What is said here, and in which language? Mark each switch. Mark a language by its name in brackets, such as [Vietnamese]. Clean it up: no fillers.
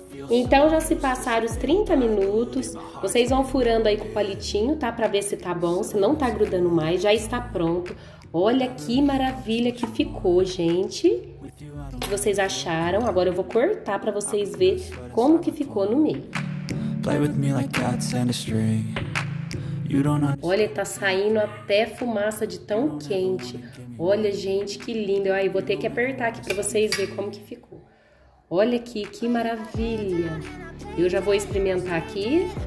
[Portuguese] Então já se passaram os 30 minutos, vocês vão furando aí com o palitinho, tá? Para ver se tá bom, se não tá grudando mais, já está pronto. Olha que maravilha que ficou, gente. O que vocês acharam? Agora eu vou cortar para vocês ver como que ficou no meio. [English] Play with me like cats and a string. [Portuguese] Olha, tá saindo até fumaça de tão quente. Olha, gente, que lindo. Aí, vou ter que apertar aqui pra vocês verem como que ficou. Olha aqui, que maravilha. Eu já vou experimentar aqui.